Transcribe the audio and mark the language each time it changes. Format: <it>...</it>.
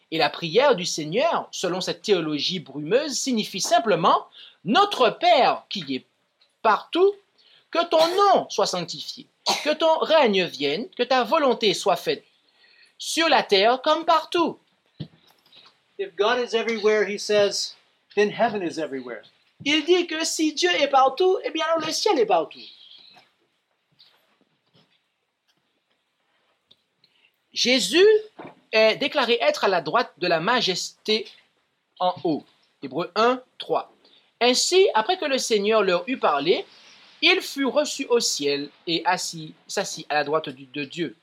<fr>Et la prière du Seigneur, selon cette théologie brumeuse, signifie simplement « Notre Père qui est partout, que ton nom soit sanctifié, que ton règne vienne, que ta volonté soit faite sur la terre comme partout. »</fr> <en>If God is everywhere, he says, then heaven is everywhere.</en> <fr>Il dit que si Dieu est partout, eh bien alors le ciel est partout. Jésus est déclaré être à la droite de la majesté en haut. Hébreux 1, 3. Ainsi, après que le Seigneur leur eut parlé, il fut reçu au ciel et s'assit à la droite de Dieu.</fr>